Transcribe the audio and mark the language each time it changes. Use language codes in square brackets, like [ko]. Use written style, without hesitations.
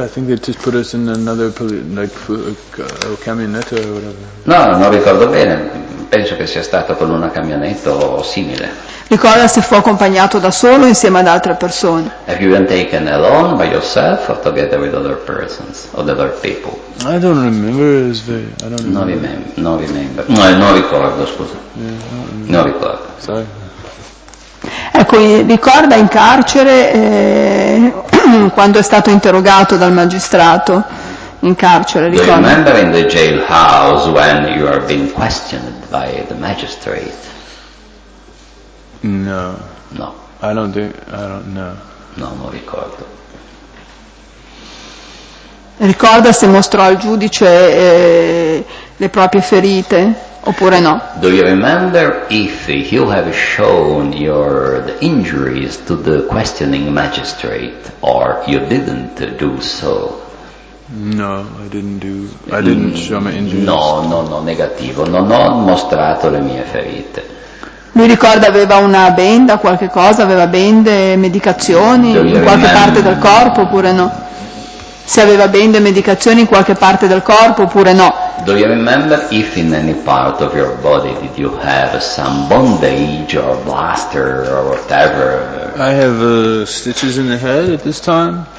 [en] I think they just put us in another camionetta or whatever. [it] No, non ricordo bene. Penso che sia stato con una camionetta o simile. Ricorda se fu accompagnato da solo o insieme ad altre persone. [en] Have you been taken alone by yourself or together with other persons or other people? I don't remember. It's very, I don't remember. [it] Non remember. Non remember. No, non ricordo, scusa. [en] Yeah, [it] non ricordo. [en] Sorry. [it] Ecco, ricorda in carcere quando è stato interrogato dal magistrato in carcere, ricorda. [en] Do you remember in the jailhouse when you are being questioned by the magistrate? No. No. I don't know. [it] No, non ricordo. Ricorda se mostrò al giudice le proprie ferite? Oppure no. [en] Do you remember if you have shown your the injuries to the questioning magistrate or you didn't do so? No, I didn't show my injuries. [it] No, negativo. Non ho mostrato le mie ferite. Mi ricorda aveva una benda, qualche cosa, aveva bende, medicazioni in qualche parte del corpo oppure no? Se aveva bende, medicazioni in qualche parte del corpo oppure no? [en] Do you remember if in any part of your body did you have some bondage or blaster or whatever? I have stitches in the head at this time.